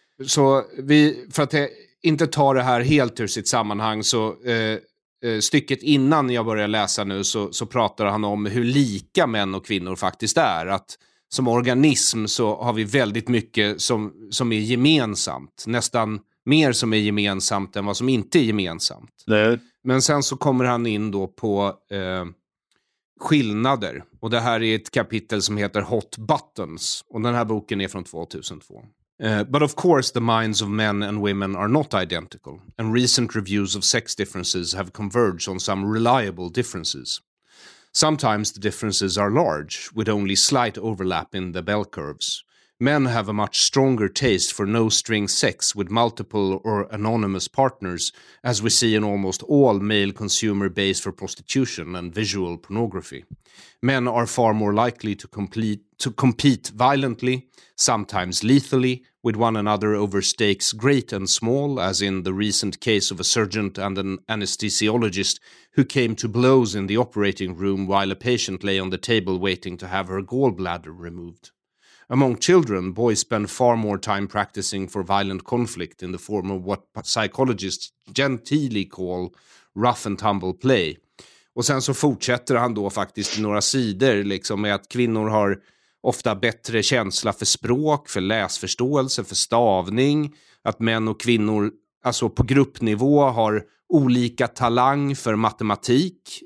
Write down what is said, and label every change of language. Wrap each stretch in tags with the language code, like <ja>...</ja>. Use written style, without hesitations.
<sv>Så vi, för att inte ta det här helt ur sitt sammanhang, så stycket innan jag börjar läsa nu så pratar han om hur lika män och kvinnor faktiskt är, att som organism så har vi väldigt mycket som är gemensamt, nästan mer som är gemensamt än vad som inte är gemensamt. Nej. Men sen så kommer han in då på skillnader, och det här är ett kapitel som heter Hot Buttons, och den här boken är från 2002.</sv> <en>But of course the minds of men and women are not identical, and recent reviews of sex differences have converged on some reliable differences. Sometimes the differences are large, with only slight overlap in the bell curves. Men have a much stronger taste for no-string sex with multiple or anonymous partners, as we see in almost all male consumer base for prostitution and visual pornography. Men are far more likely to compete violently, sometimes lethally, with one another over stakes great and small, as in the recent case of a surgeon and an anesthesiologist who came to blows in the operating room while a patient lay on the table waiting to have her gallbladder removed. Among children, boys spend far more time practicing for violent conflict in the form of what psychologists genteelly call rough and tumble play.</en> <sv>Och sen så fortsätter han då faktiskt i några sidor liksom, med att kvinnor har ofta bättre känsla för språk, för läsförståelse, för stavning. Att män och kvinnor, alltså på gruppnivå, har olika talang för matematik.</sv>